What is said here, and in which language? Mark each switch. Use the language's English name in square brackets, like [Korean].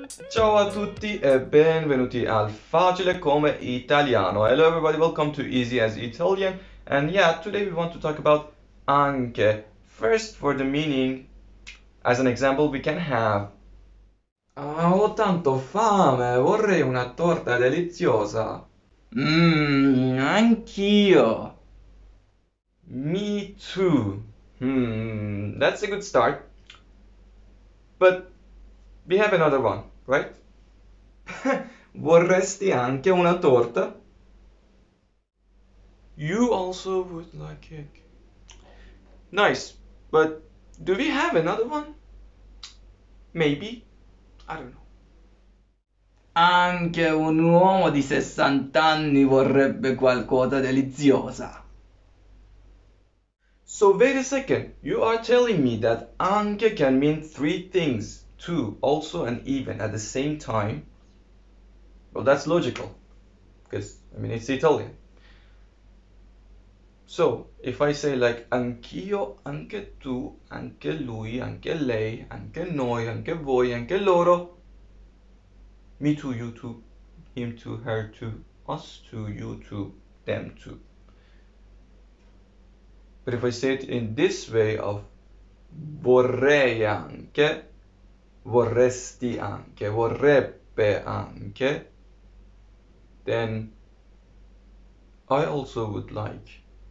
[Italian] Ciao a tutti e benvenuti al Facile come Italiano. [English] Hello everybody, welcome to Easy as Italian. And yeah, today we want to talk about anche. First, for the meaning, as an example, we can have. [Italian] Ho tanto fame, vorrei una torta deliziosa. Anch'io. [English] Me too. That's a good start. But we have another one, right? [Italian] Vorresti anche una torta? [English] You also would like cake. Nice, but do we have another one? Maybe. I don't know. [Italian] Anche un uomo di 60 anni vorrebbe qualcosa deliziosa. [English] So, wait a second. You are telling me that anche can mean three things, two, also, and even at the same time? Well, that's logical, because, I mean, it's Italian. So, if I say like [Italian] anch'io, anche tu, anche lui, anche lei, anche noi, anche voi, anche loro. [English] Me too, you too, him too, her too, us too, you too, them too. But if I say it in this way of [Italian] vorrei anche, vorresti anche, vorrebbe anche, [English] then I also would like.